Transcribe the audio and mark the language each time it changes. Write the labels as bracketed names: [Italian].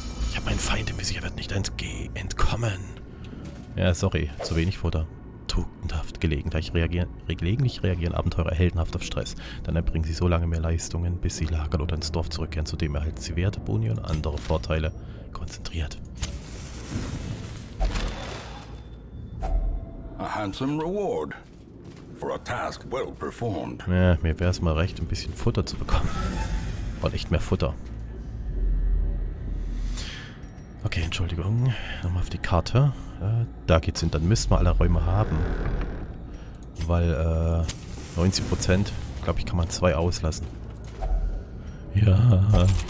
[German] Ich habe einen Feind im Visier, er wird nicht entkommen. Ja, sorry, zu wenig Futter. Tugendhaft, gelegentlich reagieren Abenteurer heldenhaft auf Stress. Dann erbringen sie so lange mehr Leistungen, bis sie lagern oder ins Dorf zurückkehren. Zudem erhalten sie Werte, Boni und andere Vorteile. Konzentriert. [English] A handsome reward for a task well performed. [German] Ja, mir wäre es mal recht, ein bisschen Futter zu bekommen. Und echt mehr Futter. Okay, Entschuldigung. Nochmal auf die Karte. Da geht's hin, dann müssen wir alle Räume haben. Weil, 90%, glaube ich, kann man 2 auslassen. Ja.